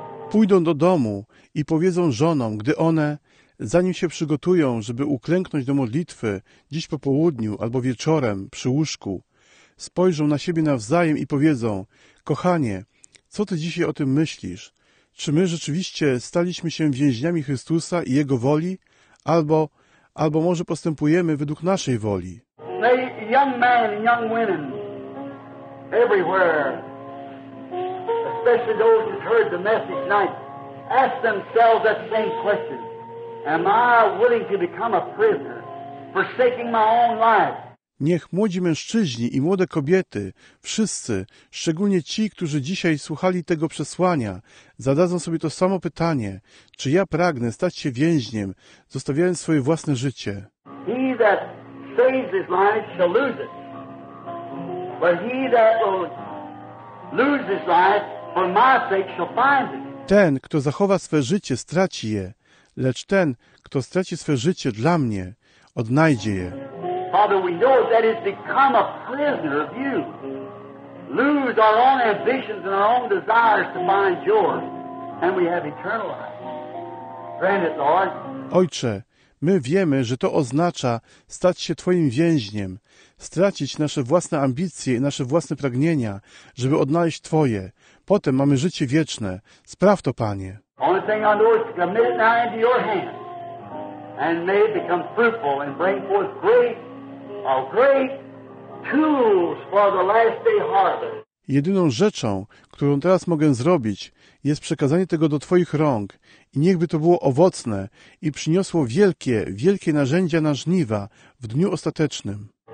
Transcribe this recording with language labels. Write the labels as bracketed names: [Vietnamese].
[Polish] Pójdą do domu i powiedzą żonom, gdy one, zanim się przygotują, żeby uklęknąć do modlitwy dziś po południu albo wieczorem przy łóżku, spojrzą na siebie nawzajem i powiedzą: kochanie, co ty dzisiaj o tym myślisz? Czy my rzeczywiście staliśmy się więźniami Chrystusa i Jego woli? Albo może postępujemy według naszej woli? [English] Young men and young women everywhere, especially those who heard the message tonight, ask themselves that same question. Am I willing to become a prisoner, forsaking my own life? [Polish] Niech młodzi mężczyźni i młode kobiety, wszyscy, szczególnie ci, którzy dzisiaj słuchali tego przesłania, zadadzą sobie to samo pytanie: czy ja pragnę stać się więźniem, zostawiając swoje własne życie? [English] He that saves his life shall lose it. But he that will lose his life for my sake shall find it. [Polish] Ten, kto zachowa swe życie, straci je, lecz ten, kto straci swe życie dla mnie, odnajdzie je. [English] Father, we know that it's become a prisoner of you. Lose our own ambitions and our own desires to find yours, and we have eternal life. Grant it, Lord. [Polish] Ojcze, my wiemy, że to oznacza stać się Twoim więźniem, stracić nasze własne ambicje i nasze własne pragnienia, żeby odnaleźć Twoje. Potem mamy życie wieczne. Spraw to, Panie. [English] Only thing I know is to commit now into your hands and may become fruitful and bring forth great, a great tools for the last day harvest. [Polish] Jedyną rzeczą, którą teraz mogę zrobić, jest przekazanie tego do Twoich rąk i niechby to było owocne i przyniosło wielkie, wielkie narzędzia na żniwa w dniu ostatecznym.